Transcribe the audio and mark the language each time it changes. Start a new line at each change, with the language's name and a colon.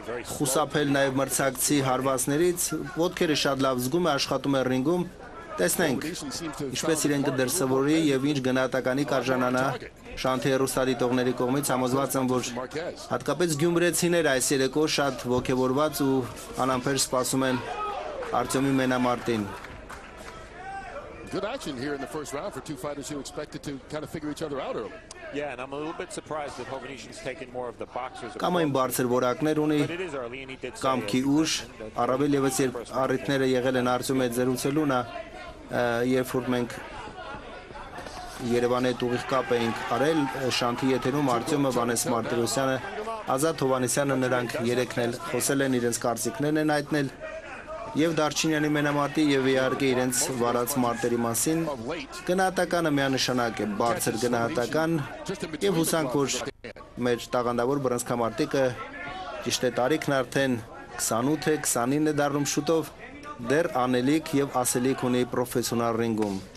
Armenian: խուսափել նաև մրցակցի հարվածներից, ոտքերը շատ լավ զգում է, աշխատում է ռինգում։ Տեսնենք, ինչպես իրեն կդրսևորի և ինչ գնահատականի կարժանանա շանթի հեռուստադիտողների կողմից, համոզված եմ, որ հատկապես գյումրեցիները այս երեկո շատ ոգևորված ու անամփեր սպասում են Արտյոմի մենամարտին։
English: Good action here in the first round for two fighters who expected to kind of figure each other out early. Yeah, and I'm a little bit surprised that Hovhannisyan's taken more of the boxer's approach.
Armenian: Կամ բարձր որակներ ունի, կամ քի ուշ, առավել եւս երբ առիթները եղել են Արտյոմ այդ զրուցելուն, երբ որ մենք Երևանի հետ ուղիղ կապ էինք արել Շանթի եթերում, Արտյոմը, Վանես Մարտիրոսյանը, Ազատ Հովանեսյանը, նրանք երեքն էլ խոսել են, իրենց կարծիքներն են հայտնել և Դարչինյանի մենամարտի և իհարկե իրենց վարած մարտերի մասին։ Գնահատականը միանշանակ է, բարձր գնահատական, և հուսանք, որ մեր տաղանդավոր բռնցքամարտիկը ճիշտ է, տարիքն արդեն 28 է, 29 է դառնում շուտով, դեռ անելիք և ասելիք ունի պրոֆեսիոնալ ռինգում։